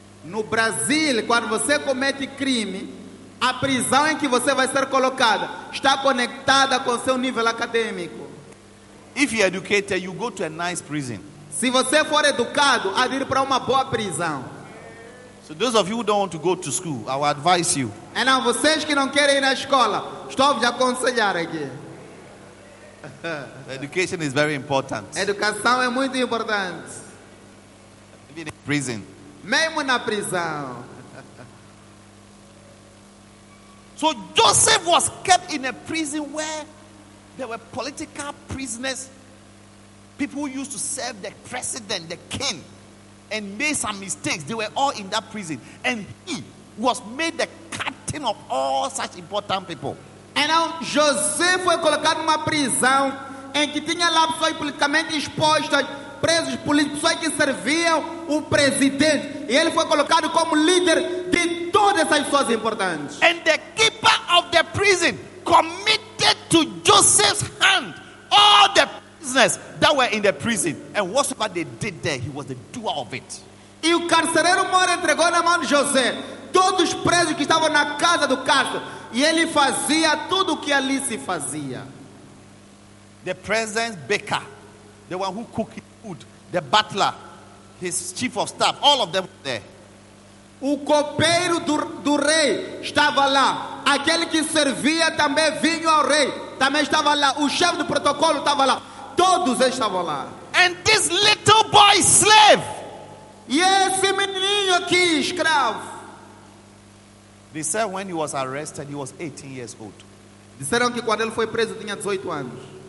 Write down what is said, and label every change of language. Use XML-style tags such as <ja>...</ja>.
<pt>No Brasil, quando você comete crime, a prisão em que você vai ser colocada está conectada com seu nível acadêmico.</pt> <en>If you're educated, you go to a nice prison.</en> <pt>Se você for educado, há de ir para uma boa prisão.</pt> <en>So those of you who don't want to go to school, I will advise you.</en> <pt>E não, vocês que não querem ir na escola, estou a aconselhar aqui.</pt> <en>Education is very important.</en> <pt>Educação é muito importante.</pt> <en>Even in prison.</en> <pt>Mesmo na prisão.</pt> <en>So Joseph was kept in a prison where there were political prisoners, people who used to serve the president, the king, and made some mistakes. They were all in that prison. And he was made the captain of all such important people. And now</en> <pt>Joseph foi colocado numa prisão em que tinha lá pessoas politicamente expostas, presos políticos, pessoas que serviam o presidente. E ele foi colocado como líder de todas essas pessoas importantes.</pt> <en>And the keeper of the prison committed to Joseph's hand all the prisoners that were in the prison, and whatsoever they did there, he was the doer of it.</en> <pt>E o carcereiro mora entregou na mão de José todos os presos que estavam na casa do cárcere, e ele fazia tudo o que ali se fazia.</pt> <en>The present baker, the one who cooked food, the butler, his chief of staff, all of them were there.</en> <pt>O copeiro do rei estava lá. Aquele que servia também vinho ao rei também estava lá. O chefe do protocolo estava lá. Todos eles estavam lá.</pt> <en>And this little boy slave.</en> <pt>E esse menininho aqui, escravo.</pt> <en>They said when he was arrested, he was 18 years old.</en> <pt>Disseram que quando ele foi preso tinha 18 anos.</pt>